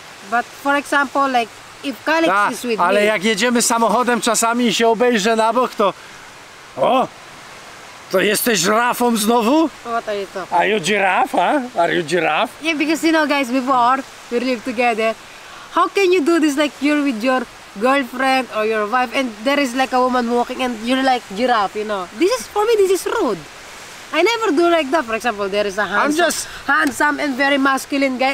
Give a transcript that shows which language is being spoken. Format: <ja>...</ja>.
<en>But for example, like, if Calix is with me...</en> <pl>Ale jak jedziemy samochodem czasami i się obejrzę na bok, to... O! To jesteś żyrafą znowu?</pl> <en>What are you talking about? Are you giraffe, huh? Are you giraffe? Yeah, because you know, guys, before we live together, how can you do this like you're with your girlfriend or your wife and there is like a woman walking and you're like giraffe, you know? This is, for me, this is rude. I never do like that. For example, there is a handsome and very masculine guy.</en>